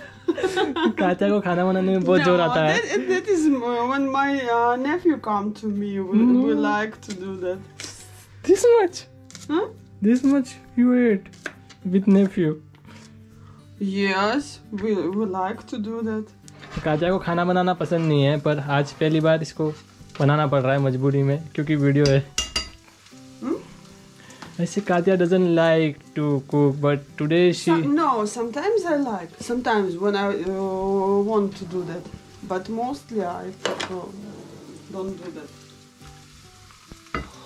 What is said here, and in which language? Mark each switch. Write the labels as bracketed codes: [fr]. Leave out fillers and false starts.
[hi] कात्या को खाना बनाने में बहुत जोर आता है। [en] That is when my nephew come to me. We like to do that. This much? Huh? This much you eat with nephew? Yes, we like to do that. [hi] कात्या को खाना बनाना पसंद नहीं है पर आज पहली बार इसको बनाना पड़ रहा है मजबूरी में क्योंकि वीडियो है। [en] I say Katya doesn't like to cook, but today she... No, sometimes I like. Sometimes when I want to do that. But mostly I don't do that.